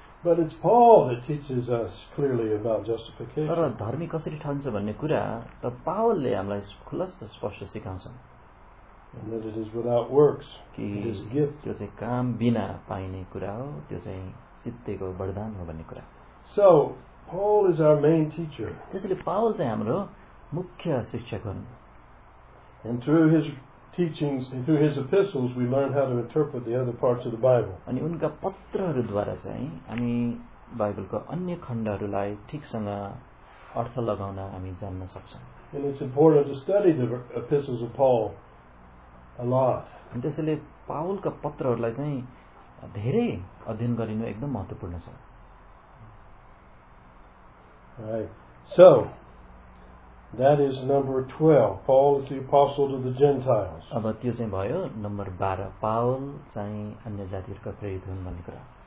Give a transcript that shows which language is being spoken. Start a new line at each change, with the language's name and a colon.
English: But it's Paul that teaches us clearly about justification.
Nepali: तर धर्मी कसरी ठरिन्छ भन्ने कुरा त पावलले हामीलाई खुलस्त स्पष्ट सिकाउँछ.
English: And that it is without works. It is a gift.
Nepali: त्यो चाहिँ काम बिना पाइने कुरा हो, त्यो चाहिँ सित्तेको वरदान हो भन्ने कुरा.
English: So Paul is our main teacher.
Nepali: त्यसैले पावल चाहिँ हाम्रो मुख्य शिक्षक हुन्.
English: And through his teachings and through his epistles we learn how to interpret the other parts of the Bible.
Nepali: अनि उनका पत्रहरूद्वारा चाहिँ हामी बाइबलको अन्य खण्डहरूलाई ठिकसँग अर्थ लगाउन हामी जान्न सक्छौँ.
English: And it's important to study the epistles of Paul a lot.
Nepali: अनि त्यसैले पावलका पत्रहरूलाई चाहिँ धेरै अध्ययन गरिनु एकदम महत्त्वपूर्ण छ.
English: Right. So that is number 12. Paul is the apostle to the Gentiles.
Nepali: अब त्यो चाहिँ भयो नम्बर 12. पावल चाहिँ अन्य जातिहरूका प्रेरित हुन् भन्ने कुरा.